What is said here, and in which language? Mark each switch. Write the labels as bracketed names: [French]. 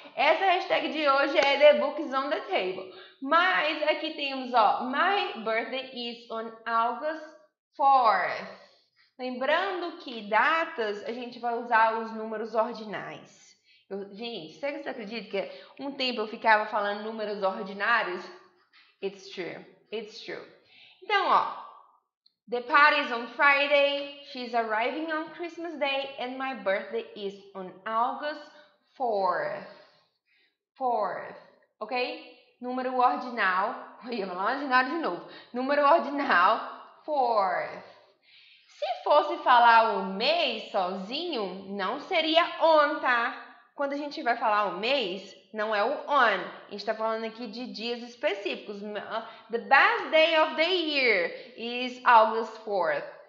[Portuguese] Essa hashtag de hoje é [English] the books on the table. [Portuguese] Mas aqui temos, ó, [English] my birthday is on August 4th. [Portuguese] Lembrando que datas a gente vai usar os números ordinais. Gente, você acredita que um tempo eu ficava falando números ordinários? [English] It's true, it's true. [Portuguese] Então, ó. [English] The party is on Friday, she's arriving on Christmas Day, and my birthday is on August 4th, ok? [Portuguese] Número ordinal, eu ia falar ordinal de novo, número ordinal, 4th. Se fosse falar o mês sozinho, não seria on, tá? Quando a gente vai falar o mês, não é o on. A gente está falando aqui de dias específicos. [English] The best day of the year is August 4th.